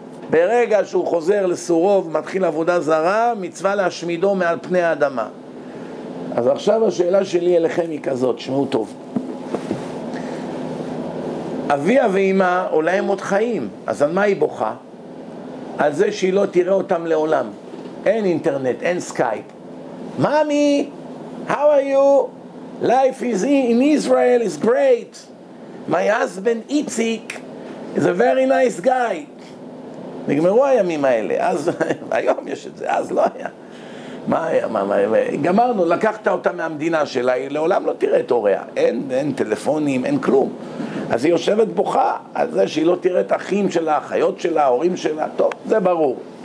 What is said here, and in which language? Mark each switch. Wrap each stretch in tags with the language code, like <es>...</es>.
<he>ברגע שהוא חוזר לסורו ומתחיל עבודה זרה, מצווה להשמידו מעל פני האדמה. אז עכשיו השאלה שלי אליכם היא כזאת, שמעו טוב. אביה ואמא אולי הם עוד חיים, אז על מה היא בוכה? על זה שהיא לא תראה אותם לעולם. אין אינטרנט, אין סקייפ.</he> <en>מאמי, how are you? Life is in Israel is great. My husband Itzik is a very nice guy.</en> <he>נגמרו הימים האלה, אז היום יש את זה, אז לא היה. מה היה, גמרנו, לקחת אותה מהמדינה שלה, היא לעולם לא תראה את הוריה. אין טלפונים, אין כלום. אז היא יושבת בוכה על זה שהיא לא תראה את האחים שלה, אחיות שלה, ההורים שלה. טוב, זה ברור.</he>